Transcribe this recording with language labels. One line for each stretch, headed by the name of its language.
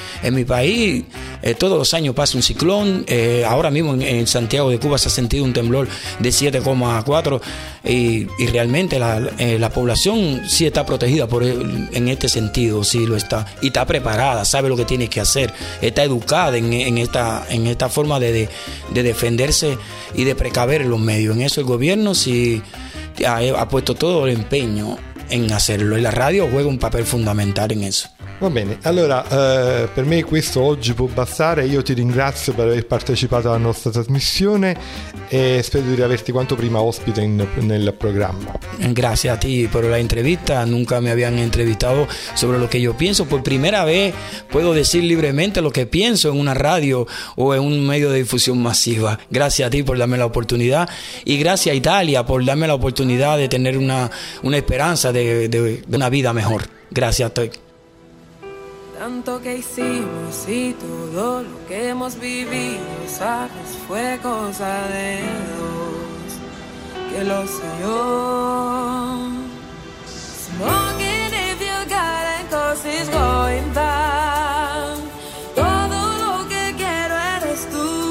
Spanish: En mi país, todos los años pasa un ciclón. Ahora mismo en Santiago de Cuba se ha sentido un temblor de 7,4 y realmente la población sí está protegida en este sentido, sí lo está, y está preparada, sabe lo que tiene que hacer, está educada en esta forma de defenderse y de precaver los medios. En eso el gobierno sí ha puesto todo el empeño en hacerlo, e la radio juega un papel fondamentale in eso.
Italian: Va bene, allora per me questo oggi può bastare. Io ti ringrazio per aver partecipato alla nostra trasmissione e spero di averti quanto prima ospite nel programma. Grazie a te per la intervista,
Spanish: nunca mi habían entrevistato sobre lo que yo pienso. Por primera vez puedo decir libremente lo que pienso en una radio o en un medio de difusión masiva.
Italian: Grazie a te
Spanish: por darme la oportunidad y gracias a Italia por darme la oportunidad de tener una esperanza de una vida mejor. Gracias a te. Tanto que hicimos y todo lo que hemos vivido, sabes, fue cosa de dos, que lo sé yo.
English: Smoking if you got it, cause it's going down.
Spanish: Todo lo que quiero eres tú.